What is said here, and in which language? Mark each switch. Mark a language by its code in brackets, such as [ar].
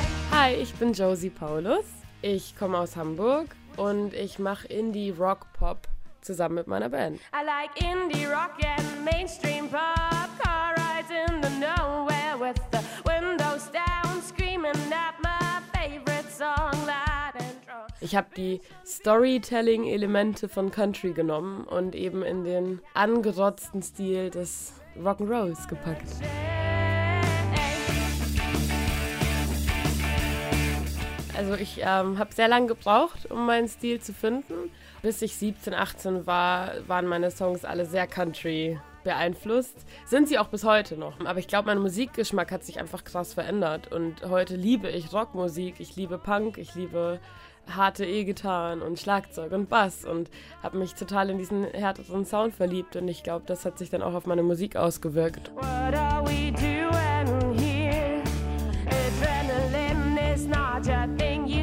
[de] Hi, ich bin Josie Paulus. Ich komme aus Hamburg. Und ich mache Indie-Rock-Pop zusammen mit meiner Band. [en] I like Indie-Rock and Mainstream-Pop. Car rides in the nowhere with the windows down, screaming at my favorite song, loud and drunk. [de] Ich habe die Storytelling-Elemente von Country genommen und eben in den angerotzten Stil des Rock'n'Rolls gepackt. Also ich habe sehr lange gebraucht, um meinen Stil zu finden. Bis ich 17, 18 war, waren meine Songs alle sehr Country beeinflusst. Sind sie auch bis heute noch. Aber ich glaube, mein Musikgeschmack hat sich einfach krass verändert. Und heute liebe ich Rockmusik, ich liebe Punk, ich liebe harte E-Gitarren und Schlagzeug und Bass und habe mich total in diesen härteren Sound verliebt. Und ich glaube, das hat sich dann auch auf meine Musik ausgewirkt. [en] What are we doing here? Adrenaline is not your thing.